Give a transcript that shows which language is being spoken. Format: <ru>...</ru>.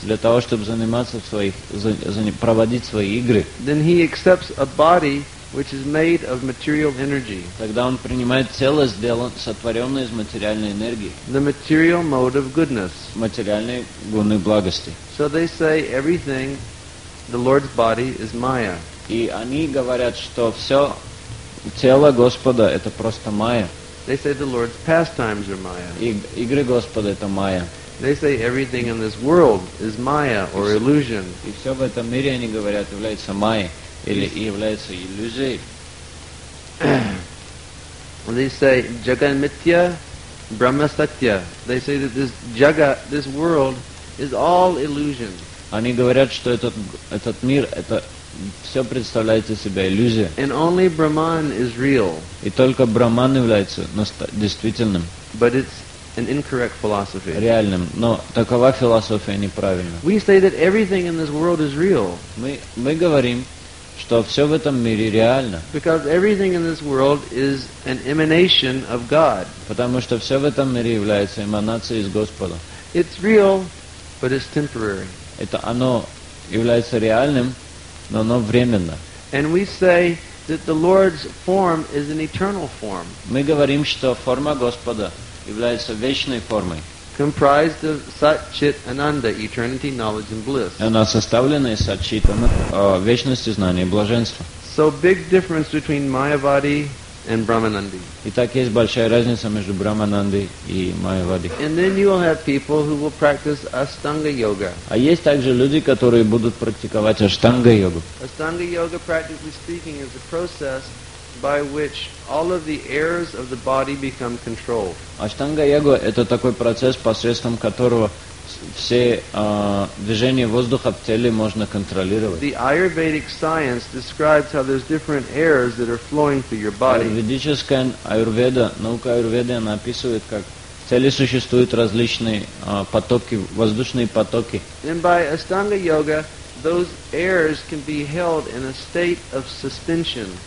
<ru>для того, чтобы заниматься в своих, проводить свои игры,</ru> <en>then he accepts a body which is made of material energy.</en> <ru>Тогда он принимает тело, сотворенное из материальной энергии.</ru> <en>The material mode of goodness.</en> <ru>Материальные гуны благости.</ru> <en>So they say everything, the Lord's body is Maya.</en> <ru>И они говорят, что все тело Господа это просто Майя.</ru> <en>They say the Lord's pastimes are Maya.</en> <ru>Игры Господа это Майя.</ru> <en>They say everything in this world is Maya or illusion.</en> <ru>И все в этом мире они говорят является Майя или является иллюзией.</ru> <en>They say Jagat Mithya, Brahma Satya. They say that this Jagat, this world, is all illusion.</en> <ru>Они говорят, что этот мир это все представляет из себя иллюзия.</ru> <en>And only Brahman is real.</en> <ru>И только Брахман является действительным.</ru> <en>But it's an incorrect philosophy.</en> <ru>Реальным. Но такова философия неправильная.</ru> <en>We say that everything in this world is real.</en> <ru>Мы говорим, что все в этом мире реально.</ru> <en>Because everything in this world is an emanation of God.</en> <ru>Потому что все в этом мире является эманацией из Господа.</ru> <en>It's real, but it's temporary.</en> <ru>Это оно является реальным. Но оно временно.</ru> <en>And we say that the Lord's form is an eternal form.</en> <ru>Мы говорим, что форма Господа является вечной формой.</ru> <en>Comprised of Sat Chit Ananda, eternity, knowledge and bliss.</en> <ru>Она составлена из Сат Чит Ананда, вечности, знания и блаженства.</ru> <en>So big difference between Mayavadi and Brahmanandi.</en> <ru>Итак, есть большая разница между Брахмананди и Майявади.</ru> <en>And then you will have people who will practice Ashtanga yoga.</en> <ru>А есть также люди, которые будут практиковать Аштанга йогу.</ru> <en>Ashtanga yoga, practically speaking, is a process by which all of the errors of the body become controlled.</en> <ru>Аштанга йога это такой процесс, посредством которого все движения воздуха в теле можно контролировать.</ru> <en>The Ayurvedic science describes how there's different airs that are flowing through your body.</en> <ru>Ведическая аюрведа, наука аюрведы, она описывает, как в теле существуют различные потоки, воздушные потоки.</ru> <en>And by Ashtanga yoga, those airs can be held in a state of suspension.</en>